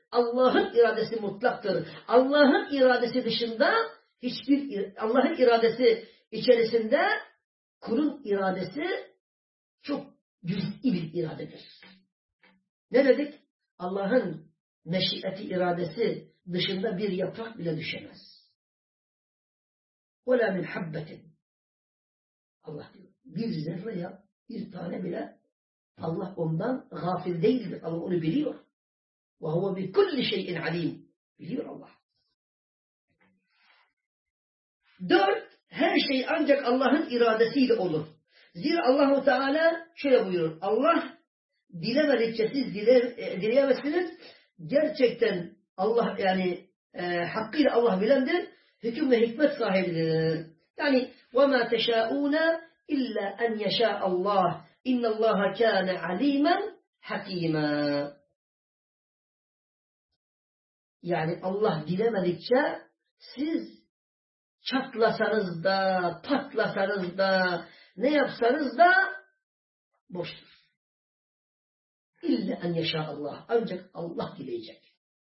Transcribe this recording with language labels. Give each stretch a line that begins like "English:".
Turkish: Allah'ın iradesi mutlaktır. Allah'ın iradesi dışında hiçbir Allah'ın iradesi içerisinde kulun iradesi çok cüz'i bir iradedir. Ne dedik? Allah'ın meşiyeti iradesi dışında bir yaprak bile düşemez.
Arabic: وَلَا مِنْ حَبَّةٍ
Turkish: Allah diyor. Bir zerre ya, bir tane bile Allah ondan gafil değildir. Allah onu biliyor.
Arabic: وَهُوَ بِكُلِّ شَيْءٍ عَلِيمٍ
Turkish: Biliyor Allah. Dört, her şey ancak Allah'ın iradesiyle olur. Zira Allah-u Teala şöyle buyuruyor. Allah dilemedikçe siz dileyemezsiniz. Gerçekten Allah yani hakkıyla Allah bilendir. Hüküm ve hikmet sahibidir. Yani
Arabic: وَمَا تَشَاءُونَ إِلَّا أَنْ يَشَاءَ اللّٰهِ اِنَّ اللّٰهَ كَانَ عَل۪يمًا حَك۪يمًا
Turkish: Yani Allah dilemedikçe siz çatlasanız da, patlasanız da, ne yapsanız da boştur.
Arabic: اِلَّا أَنْ يَشَاءَ اللّٰهِ
Turkish: Ancak Allah dileyecek.